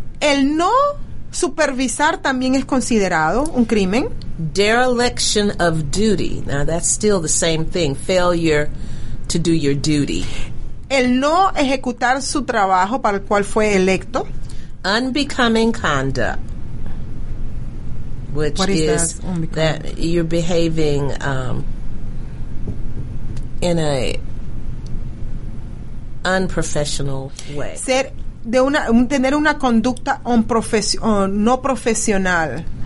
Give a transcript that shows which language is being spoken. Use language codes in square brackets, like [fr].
[es] El no supervisar también es considerado un crimen. [en] Dereliction of duty. Now that's still the same thing. Failure to do your duty. [es] El no ejecutar su trabajo para el cual fue electo. [en] Unbecoming conduct. Which what is that you're behaving in a unprofessional way. [es] Ser de una tener una conducta no profesional.